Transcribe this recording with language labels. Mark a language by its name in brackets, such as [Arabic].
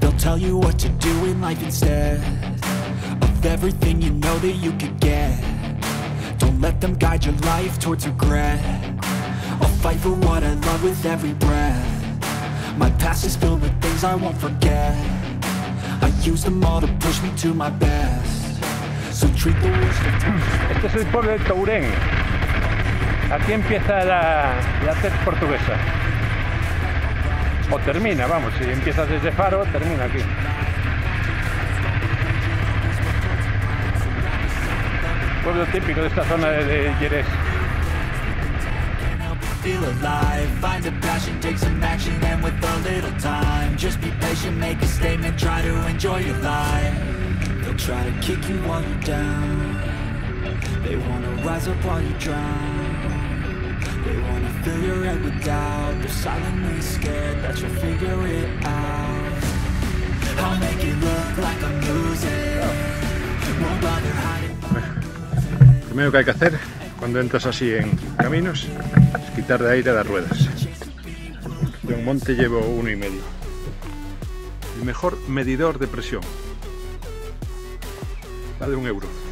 [English] They'll tell you what to do in life instead of everything you know that you could get. Don't let them guide your life towards regret. I'll fight for what I love with every breath. My past is filled with things I won't forget. I use them all to push me to my best. So treat the worst of times. [Spanish] Este es el pueblo de Tourén. Aquí empieza la TET portuguesa. O termina, vamos, si empiezas desde Faro, termina aquí. Pueblo típico de esta zona de Jerez. [English] Feel alive, find a passion, take some action, and with a little time, just be patient, make a statement, try to enjoy your life. They'll try to kick you while you're down. They wanna rise up while you drown. They wanna fill your head with doubt. They're silently scared that you'll figure it out. I'll make it look like I'm losing. Won't bother hiding. [Spanish] Lo primero que hay que hacer cuando entras así en caminos es quitar de aire las ruedas. De un monte llevo 1,5. El mejor medidor de presión. Vale 1 euro.